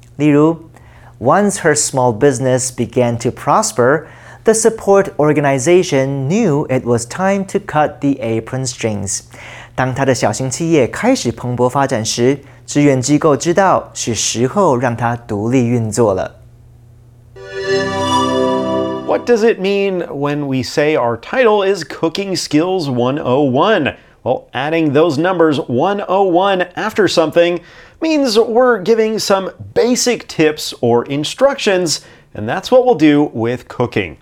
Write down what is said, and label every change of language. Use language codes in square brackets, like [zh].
[zh] 例如 [en] ，Once her small business began to prosper, the support organization knew it was time to cut the apron strings。 [zh] 当她的小型企业开始蓬勃发展时，支援机构知道是时候让她独立运作了。 [en] What does it mean when we say our title is Cooking Skills 101? Well, adding those numbers 101 after something means we're giving some basic tips or instructions, and that's what we'll do with cooking.